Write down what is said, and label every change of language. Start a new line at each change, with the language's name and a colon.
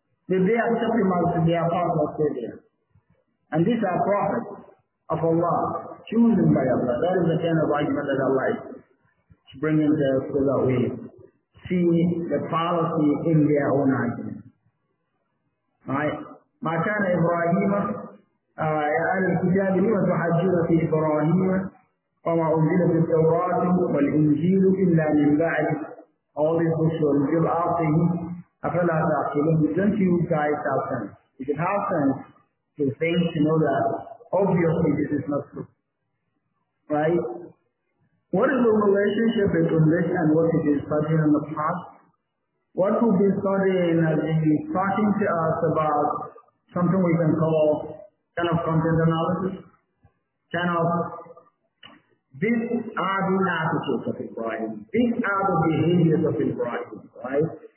English: Did they accept him as their prophet savior? And these are prophets of Allah, chosen by Allah. That is the kind of argument that Allah is bringing to us so that we see the fallacy in their own argument. Right? My time Ibrahim.
Arabic: يا أهل الكتاب لم تحجون في إبراهيم وما أنزل في التوراة والإنجيل إلا من بعد
English: all these books were revealed after him
Arabic: أفلا تعقلون.
English: Don't you guys have sense? If it has sense, you think to know that obviously this is not true. Right? What is the relationship between this and what we've been studying in the past? What we've been studying has been talking to us about something we can call kind of content analysis, kind of, these are the attitudes of Ibrahim, these are the behaviors of Ibrahim, right?